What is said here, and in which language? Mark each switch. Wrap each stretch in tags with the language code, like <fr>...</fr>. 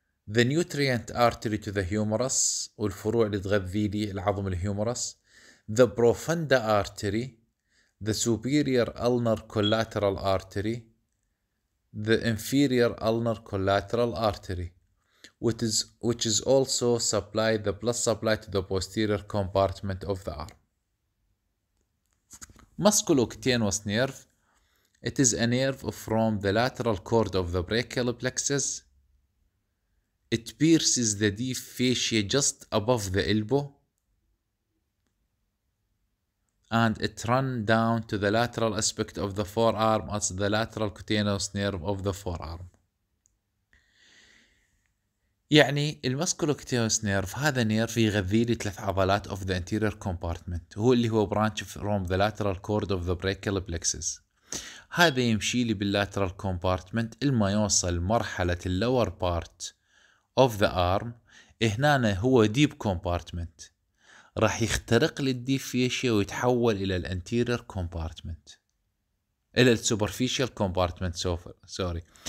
<en>The nutrient artery to the humerus</en> <ar>والفروع اللي تغذي لي العظم الهيومرس.</ar> <en>The profunda artery, the superior ulnar collateral artery, the inferior ulnar collateral artery, which is also supply the blood supply to the posterior compartment of the arm. Musculocutaneous nerve, it is a nerve from the lateral cord of the brachial plexus. It pierces the deep fascia just above the elbow and it run down to the lateral aspect of the forearm as the lateral cutaneous nerve of the forearm.</en> <ar>يعني المسكولوكتينوس نيرف هذا نيرف يغذي لي ثلاث عضلات</ar> <en>of the anterior compartment،</en> <ar>هو اللي هو</ar> <en>branch from the lateral cord of the brachial plexus.</en> <ar>هذا يمشي لي باللاترال كومبارتمنت لما يوصل مرحلة اللور بارت</ar> <en>of the arm.</en> <ar>هنا هو</ar> <en>deep compartment،</en> <ar>راح يخترق للديب فيشيا ويتحول الى الانتيرير كومبارتمنت، الى السوبرفيشال كومبارتمنت سوري.</ar>